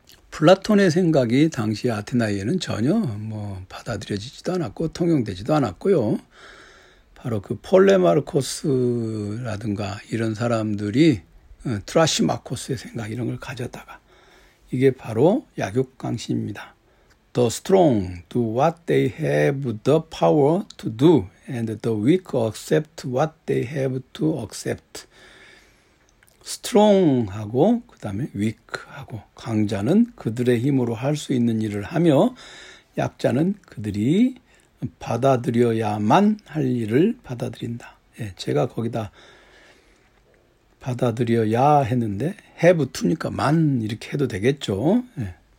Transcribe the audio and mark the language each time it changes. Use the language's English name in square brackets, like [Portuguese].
[Korean] 플라톤의 생각이 당시 아테나이에는 전혀 뭐 받아들여지지도 않았고 통용되지도 않았고요. 바로 그 폴레마르코스라든가 이런 사람들이 트라시마코스의 생각 이런 걸 가졌다가 이게 바로 약육강신입니다. [English] The strong do what they have the power to do and the weak accept what they have to accept. [Korean] Strong하고 그 다음에 weak하고 강자는 그들의 힘으로 할 수 있는 일을 하며 약자는 그들이 받아들여야만 할 일을 받아들인다. 예, 제가 거기다 받아들여야 했는데 [English] have to [Korean] 니까 만 이렇게 해도 되겠죠. 예.